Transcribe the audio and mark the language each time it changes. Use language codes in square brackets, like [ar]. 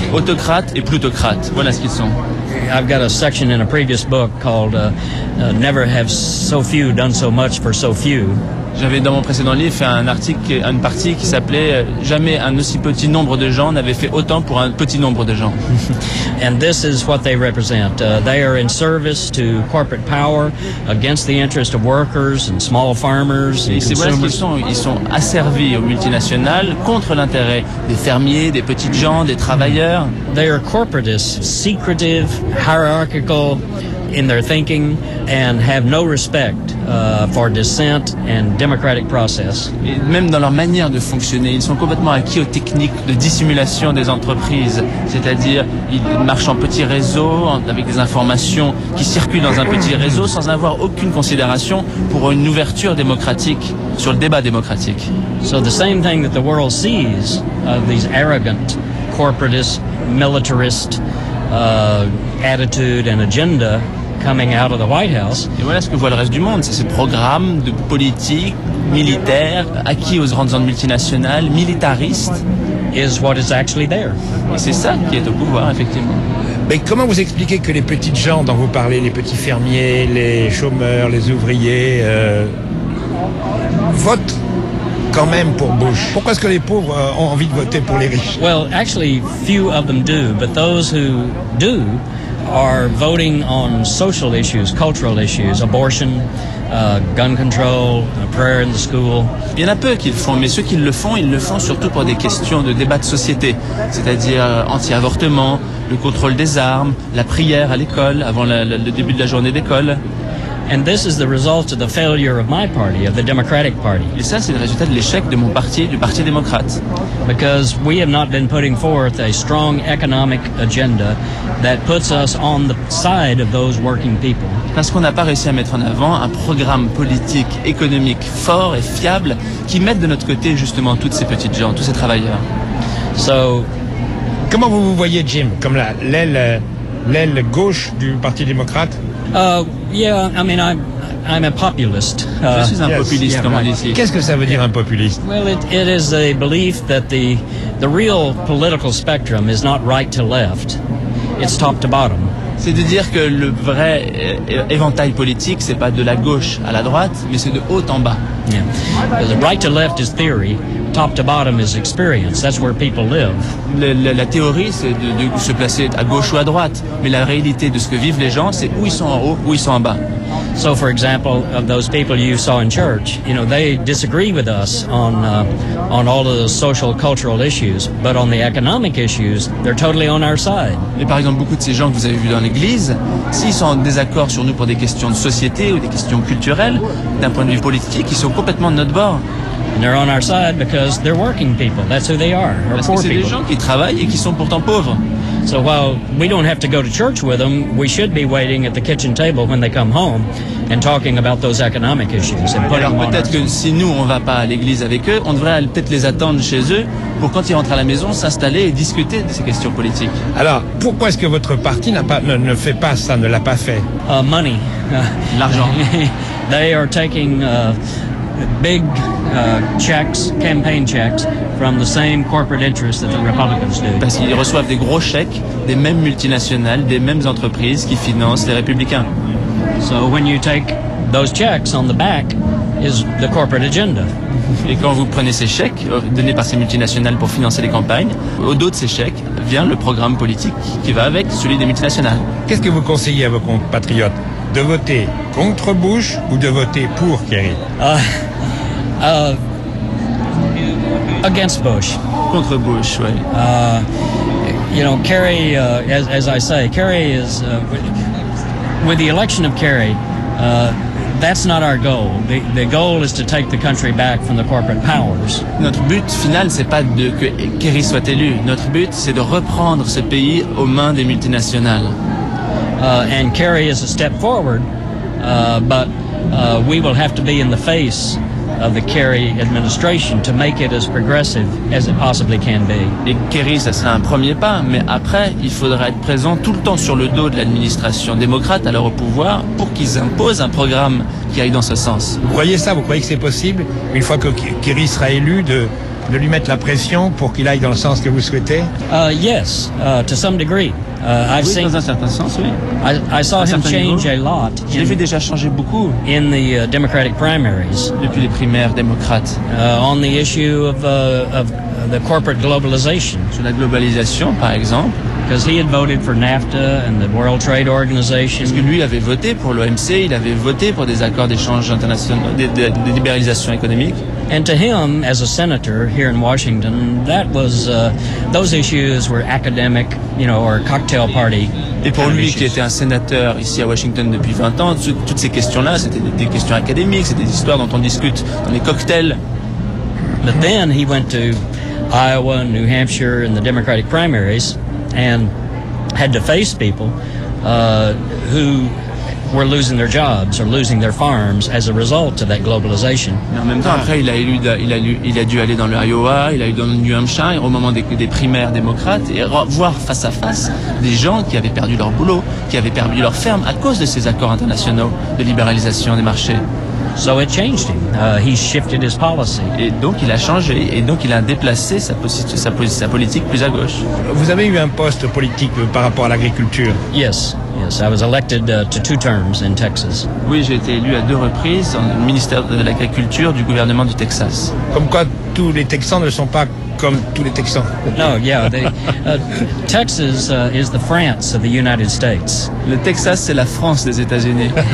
[fr] Autocrate et plutocrate. Voilà ce qu'ils sont. [en] I've got a section in a previous book called Never Have So Few Done So Much for So Few. [fr] J'avais dans mon précédent livre fait un article, une partie qui s'appelait « Jamais un aussi petit nombre de gens n'avait fait autant pour un petit nombre de gens ». [en] And this is what they represent. They are in service to corporate power, against the interest of workers and small farmers. [fr] Et c'est voilà ce qu'ils sont. Ils sont asservis aux multinationales contre l'intérêt des fermiers, des petites gens, des travailleurs. [en] They are corporatists, secretive, hierarchical. In their thinking and have no respect for dissent and democratic process. [fr] Et même dans leur manière de fonctionner, ils sont complètement acquis aux techniques de dissimulation des entreprises, c'est-à-dire ils marchent en petits réseaux avec des informations qui circulent dans un petit réseau sans avoir aucune considération pour une ouverture démocratique sur le débat démocratique. [en] So the same thing that the world sees of these arrogant corporatist militarist attitude and agenda coming out of the White House. [fr] Et voilà ce que voit le reste du monde, c'est ce programme de politique militaire acquis aux grandes zones multinationales, militariste. [en] Is what is actually there. [fr] Et c'est ça qui est au pouvoir, effectivement. Mais comment vous expliquez que les petites gens dont vous parlez, les petits fermiers, les chômeurs, les ouvriers, votent quand même pour Bush? Pourquoi est-ce que les pauvres ont envie de voter pour les riches? [en] Well, actually, few of them do, but those who do are voting on social issues, cultural issues, abortion, gun control, prayer in the school. [fr] Il y en a peu qui le font, mais ceux qui le font surtout pour des questions de débat de société, c'est-à-dire anti-avortement, le contrôle des armes, la prière à l'école, avant le début de la journée d'école. [en] And this is the result of the failure of my party, of the Democratic Party. [fr] Et ça, c'est le résultat de l'échec de mon parti, du Parti démocrate. [en] Because we have not been putting forth a strong economic agenda that puts us on the side of those working people. [fr] Parce qu'on n'a pas réussi à mettre en avant un programme politique, économique fort et fiable qui mette de notre côté justement toutes ces petites gens, tous ces travailleurs. [en] So, [fr] comment vous voyez, Jim, comme l'aile gauche du Parti démocrate? [en] I'm a populist. [fr] Je suis un populiste, comme on dit ici. Qu'est-ce que ça veut dire un populiste? [en] Well, it is a belief that the real political spectrum is not right to left. It's top to bottom. [fr] C'est de dire que le vrai éventail politique, c'est pas de la gauche à la droite, mais c'est de haut en bas. [en] Yeah. The right to left is theory. Top to bottom is experience. That's where people live. [fr] La théorie, c'est de se placer à gauche ou à droite. Mais la réalité de ce que vivent les gens, c'est où ils sont en haut, où ils sont en bas. [en] So, for example, of those people you saw in church, you know, they disagree with us on all of the social, cultural issues. But on the economic issues, they're totally on our side. [fr] Et par exemple, beaucoup de ces gens que vous avez vus dans l'église, s'ils sont en désaccord sur nous pour des questions de société ou des questions culturelles, d'un point de vue politique, ils sont complètement de notre bord. [en] And they're on our side because they're working people. That's who they are. [fr] Parce que c'est des gens qui travaillent et qui sont pourtant pauvres. [en] So while we don't have to go to church with them, we should be waiting at the kitchen table when they come home and talking about those economic issues. And [fr] alors peut-être que si nous on va pas à l'église avec eux, on devrait peut-être les attendre chez eux pour quand ils rentrent à la maison s'installer et discuter de ces questions politiques. Alors pourquoi est-ce que votre parti ne l'a pas fait? [en] Money. [fr] L'argent. [en] They are taking big checks, campaign checks, from the same corporate interests that the Republicans do. [fr] Parce qu'ils reçoivent des gros chèques des mêmes multinationales, des mêmes entreprises qui financent les Républicains. [en] So when you take those checks on the back is the corporate agenda. [fr] Et quand vous prenez ces chèques donnés par ces multinationales pour financer les campagnes, au dos de ces chèques vient le programme politique qui va avec celui des multinationales. Qu'est-ce que vous conseillez à vos compatriotes? De voter contre Bush ou de voter pour Kerry? [en] Against Bush. [fr] Contre Bush, oui. [en] You know, Kerry, as I say, Kerry is... with the election of Kerry, that's not our goal. The goal is to take the country back from the corporate powers. [fr] Notre but final, c'est pas de que Kerry soit élu. Notre but, c'est de reprendre ce pays aux mains des multinationales. [en] And Kerry is a step forward, but we will have to be in the face of the Kerry administration to make it as progressive as it possibly can be. [fr] Et Kerry, ça sera un premier pas, mais après, il faudra être présent tout le temps sur le dos de l'administration démocrate, alors au pouvoir, pour qu'ils imposent un programme qui aille dans ce sens. Vous croyez ça? Vous croyez que c'est possible, une fois que Kerry sera élu, de lui mettre la pression pour qu'il aille dans le sens que vous souhaitez? [en] Yes, to some degree. [fr] Dans un certain sens, oui. [en] I saw him change a lot. [fr] Je l'ai vu déjà changer beaucoup. [en] In the Democratic primaries. [fr] Depuis les primaires démocrates. [en] On the issue of the corporate globalization. [fr] Sur la globalisation, par exemple. [en] Because he had voted for NAFTA and the World Trade Organization. [fr] Parce que lui avait voté pour l'OMC, il avait voté pour des accords d'échange internationaux, de libéralisation économique. [en] And to him, as a senator here in Washington, that was those issues were academic, you know, or cocktail party. [fr] Et pour lui, qui était un sénateur ici à Washington depuis 20 ans, toutes ces questions-là, c'était des questions académiques, c'était des histoires dont on discute dans les cocktails. [en] But then he went to Iowa, New Hampshire, in the Democratic primaries, and had to face people who were losing their jobs or losing their farms as a result of that globalization. [fr] Mais en même temps, après, il a dû aller dans le Iowa, il a eu dans le New Hampshire au moment des primaires démocrates et voir face à face des gens qui avaient perdu leur boulot, qui avaient perdu leur ferme à cause de ces accords internationaux de libéralisation des marchés. [en] So it changed him. He shifted his policy. [fr] Et donc il a changé et donc il a déplacé sa politique plus à gauche. Vous avez eu un poste politique par rapport à l'agriculture? [en] Yes, I was elected to two terms in Texas. [fr] Oui, j'ai été élu à deux reprises au ministère de l'agriculture du gouvernement du Texas. Comme quoi tous les Texans ne sont pas comme tous les Texans. [en] No, yeah, Texas is the France of the United States. [fr] Le Texas, c'est la France des États-Unis.